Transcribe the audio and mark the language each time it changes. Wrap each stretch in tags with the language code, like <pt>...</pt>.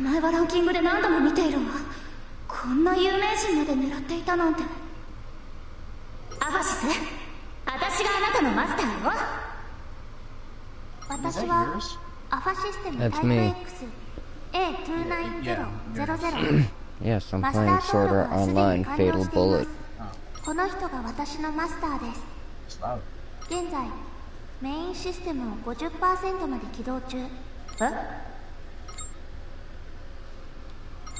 <ja>名前はランキングで何度も見ているわ。こんな有名人まで狙っていたなんて。アバシス、私があなたのマスターよ。私はアファシステムタイプ X A2900。</ja> <en>Yes, I'm playing Sword Art Online Fatal Bullet.</en> <ja>この人が私のマスターです。現在メインシステムを 50% まで起動中。え？そんな！</ja>